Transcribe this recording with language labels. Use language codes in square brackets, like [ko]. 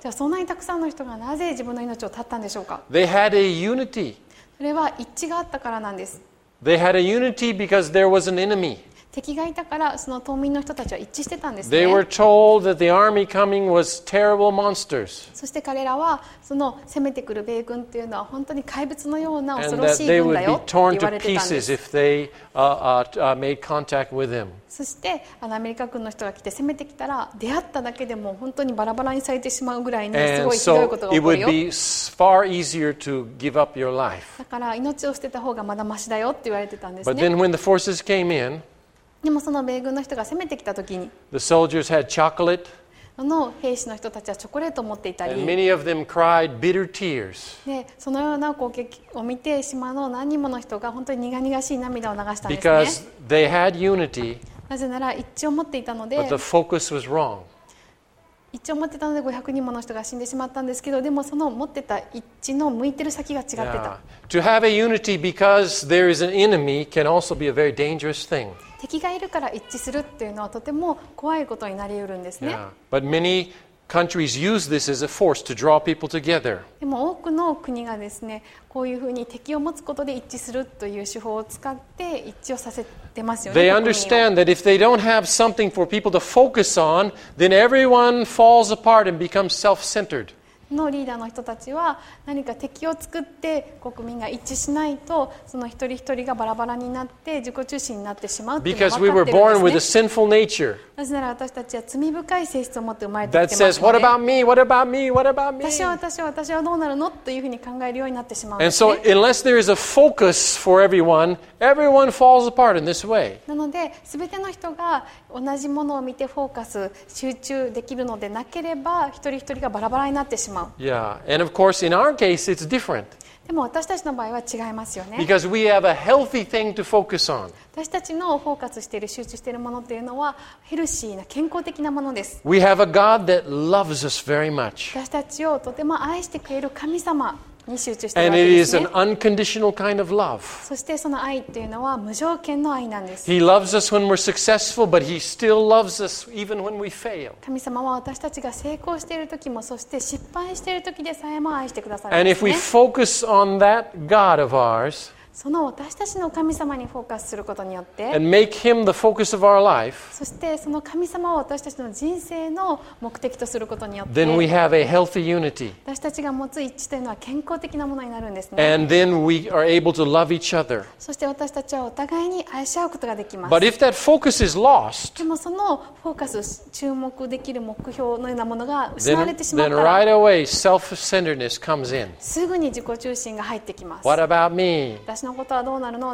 [ja] じゃあそんなにたくさんの人がなぜ自分の命を絶ったんでしょうか。 [en] They had a unity. [ja] それは一致があったからなんです。 [en] They had a unity because there was an enemy. [ja] 敵がいたからその島民の人たちは一致してたんですね。 [en] They were told that the army coming was terrible monsters. [ja] そして彼らはその攻めてくる米軍というのは本当に怪物のような恐ろしい軍だよって言われてたんです。 [en] And that they would be torn to pieces if they made contact with them. [ja] そしてアメリカ軍の人が来て攻めてきたら出会っただけでも本当にバラバラにされてしまうぐらいにすごいひどいことが起こるよ。 [en] And so it would be far easier to give up your life. [ja] だから命を捨てた方がまだマシだよって言われてたんですね。 [en] But then when the forces came in, [ja] でもその米軍の人が攻めてきたときに [en] The soldiers had chocolate. [ja] その兵士の人たちはチョコレートを持っていたり [en] And many of them cried bitter tears. [ja] でそのような光景を見て島の何人もの人が本当に苦々しい涙を流したんですね [en] Because they had unity, [ja] なぜなら一致を持っていたので [en] But the focus was wrong. [ja] 一致を持っていたので500人もの人が死んでしまったんですけどでもその持ってた一致の向いてる先が違ってた [en] Yeah. To have a unity because there is an enemy can also be a very dangerous thing. [ja] 敵がいるから一致するというのはとても怖いことになりうるんですね。 [en] Yeah. But many countries use this as a force to draw people together. [ja] でも多くの国がですね、こういうふうに敵を持つことで一致するという手法を使って一致をさせてますよね。 [en] They understand that if they don't have something for people to focus on, then everyone falls apart and becomes self-centered. [ja] のリーダーの人たちは何か敵を作って国民が一致しないとその一人一人がバラバラになって自己中心になってしまうっていうのが分かってるんですね。なぜなら私たちは罪深い性質を持って生まれてきてますので。 [en] That says, what about me? What about me? What about me? [ja] 私はどうなるのというふうに考えるようになってしまうんです [en] And so, unless there is a focus for everyone, everyone falls apart in this way. [ja] なので、すべての人が同じものを見てフォーカス、集中できるのでなければ、一人一人がバラバラになってしまう。 [en] Yeah, and of course, in our case, it's different. [ja] でも私たちの場合は違いますよね。 [en] Because we have a healthy thing to focus on. [ja] 私たちのフォーカスしている、集中しているものというのはヘルシーな健康的なものです。 [en] We have a God that loves us very much. [ja] 私たちをとても愛してくれる神様。に集中してるわけですね。 [en] unconditional kind of love. [ja] そしてその愛っていうのは無条件の愛なんです。 [en] He loves us when we're successful, but he still loves us even when we fail. [ja] 神様は私たちが成功している時も、そして失敗している時でさえも愛してくださるんですね。 [en] And if we focus on that God of ours, [ja] その私たちの神様にフォーカスすることによって、 [en] and make him the focus of our life, [ja] そしてその神様を私たちの人生の目的とすることによって、 [en] then we have a healthy unity. [ja] 私たちが持つ一致というのは健康的なものになるんですね。 [en] And then we are able to love each other. [ja] そして私たちはお互いに愛し合うことができます。 [en] But if that focus is lost, [ja] でもそのフォーカス、注目できる目標のようなものが失われてしまったら、 [en] then right away self-centeredness comes in. [ja] すぐに自己中心が入ってきます。 [en] What about me? [ja] 私のことはどうなるの？